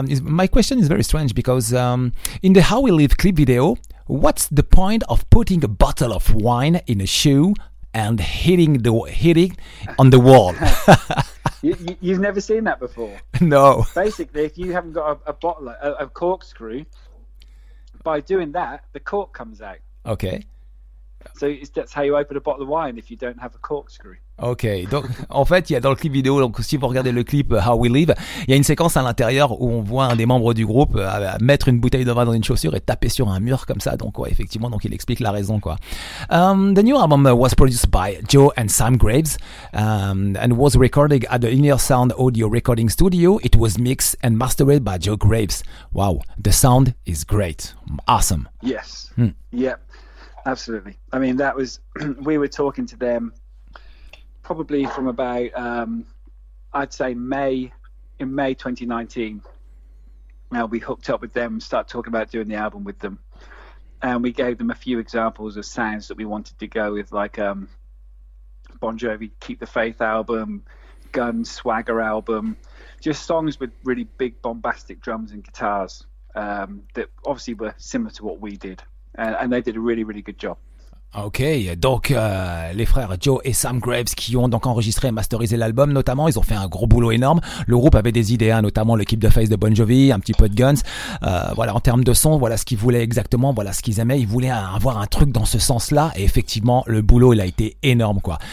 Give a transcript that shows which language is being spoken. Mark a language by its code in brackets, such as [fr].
[en] My question is very strange because in the How We Live clip video, what's the point of putting a bottle of wine in a shoe and hitting on the wall? you've never seen that before. No. Basically, if you haven't got a bottle, a corkscrew, by doing that, the cork comes out. Okay. So that's how you open a bottle of wine if you don't have a corkscrew. [fr] Ok, donc en fait il y a dans le clip vidéo, donc si vous regardez le clip How We Live, il y a une séquence à l'intérieur où on voit un des membres du groupe mettre une bouteille de vin dans une chaussure et taper sur un mur comme ça. Donc ouais, effectivement, donc il explique la raison, quoi. [en] The new album was produced by Joe and Sam Graves and was recorded at the Inner Sound Audio Recording Studio. It was mixed and mastered by Joe Graves. Wow, the sound is great, awesome. Yes. Yep, absolutely. I mean, that was we were talking to them probably from about I'd say May 2019. Now we hooked up with them, started talking about doing the album with them, and we gave them a few examples of sounds that we wanted to go with, like Bon Jovi Keep the Faith album, Gun Swagger album, just songs with really big bombastic drums and guitars that obviously were similar to what we did, and they did a really really good job. [fr] Ok, donc les frères Joe et Sam Graves qui ont donc enregistré et masterisé l'album notamment, ils ont fait un gros boulot énorme. Le groupe avait des idées, hein, notamment le Keep the Faith de Bon Jovi, un petit peu de Guns. Voilà, en termes de son, voilà ce qu'ils voulaient exactement, voilà ce qu'ils aimaient. Ils voulaient avoir un truc dans ce sens-là, et effectivement, le boulot, il a été énorme, quoi.